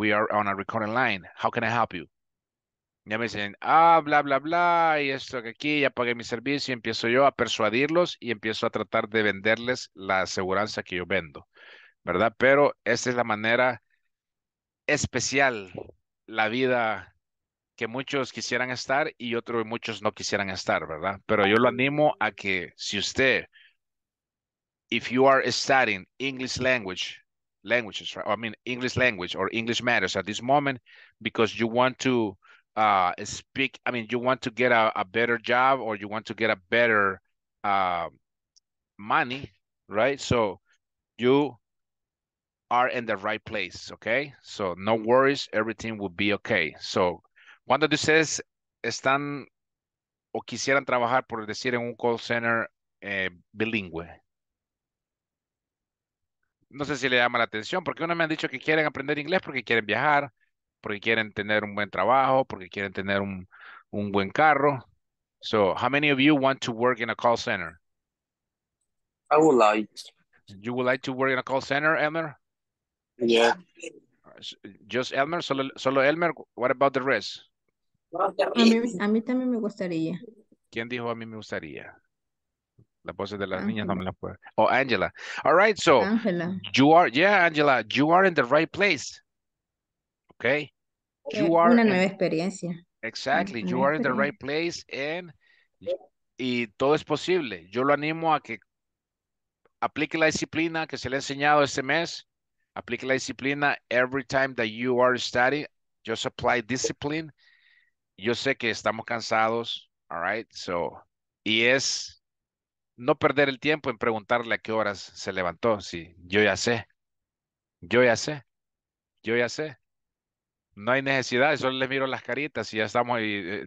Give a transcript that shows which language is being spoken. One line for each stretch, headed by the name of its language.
English: We are on a recording line, how can I help you?
Spanish: Ya me dicen, ah, bla, bla, bla, y esto que aquí, ya pagué mi servicio, y empiezo yo a persuadirlos y empiezo a tratar de venderles la aseguranza que yo vendo, ¿verdad? Pero esta es la manera especial, la vida que muchos quisieran estar y otros muchos no quisieran estar, ¿verdad? Pero yo lo animo a que si usted,
English: if you are studying English languages, right? I mean, English language or English matters at this moment, because you want to get a better job or you want to get a better money, right? So you are in the right place, okay? So no worries, everything will be okay.
Spanish: So cuando ustedes están o quisieran trabajar, por decir, en un call center bilingüe, no sé si le llama la atención, porque uno me han dicho que quieren aprender inglés porque quieren viajar, porque quieren tener un buen trabajo, porque quieren tener un buen carro.
English: So, how many of you want to work in a call center? I would like. You would like to work in a call center, Elmer? Yeah. Just Elmer?
Spanish: Solo Elmer?
English: What about the rest?
Spanish: A mí también me gustaría. ¿Quién dijo a mí me gustaría? La voz de las niñas no me la puedo.
English: Oh, Angela. All right, so. Angela. You are, yeah, Angela, you are in the right place. Okay, you are
Spanish: una nueva experiencia.
English: Exactly, you are in the right place and
Spanish: y todo es posible. Yo lo animo a que aplique la disciplina que se le ha enseñado este mes. Aplique la disciplina
English: every time that you are studying. Just apply discipline.
Spanish: Yo sé que estamos cansados,
English: all right?
Spanish: So, y es no perder el tiempo en preguntarle a qué horas se levantó. Sí, yo ya sé. Yo ya sé. Yo ya sé. No hay necesidad, solo les miro las caritas y ya estamos ahí.